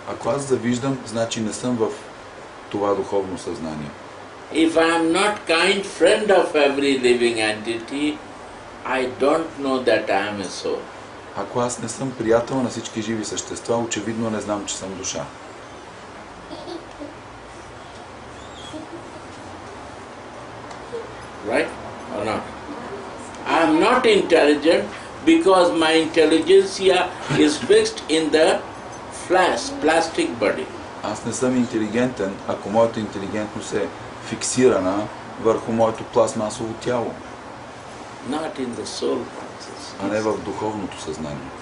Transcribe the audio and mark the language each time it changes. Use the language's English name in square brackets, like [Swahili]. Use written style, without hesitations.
[Bulgarian] Ако аз завиждам, значи не съм в това духовно съзнание. [English] If I am not kind friend of every living entity, I don't know that I am a soul. [Bulgarian] Ако аз не съм приятел на всички живи същества, очевидно не знам, че съм душа. [English] Right? Or not? I am not intelligent because my intelligentsia is fixed in the flesh, plastic body. [Bulgarian] Аз не съм интелигентен, ако моята интелигентност е фиксирана върху моето пластмасово тяло. [English] Not in the soul. practice. [Bulgarian] А не в духовното съзнание.